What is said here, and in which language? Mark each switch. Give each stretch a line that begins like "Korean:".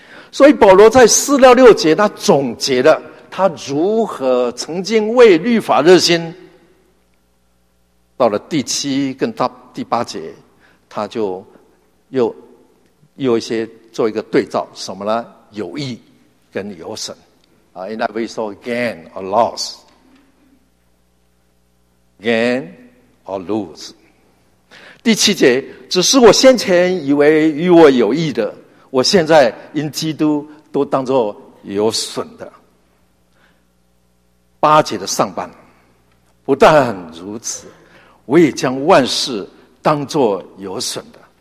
Chinese: 所以保罗在四到六节，他总结了他如何曾经为律法热心，到了第七跟到第八节，他就又一些做一个对照，什么呢？有益跟有损。
English: In that we saw gain or loss, gain or lose.
Chinese: 第七节，只是我先前以为与我有益的，我现在因基督都当作有损的。八节的上半，不但如此，我也将万事当作有损的。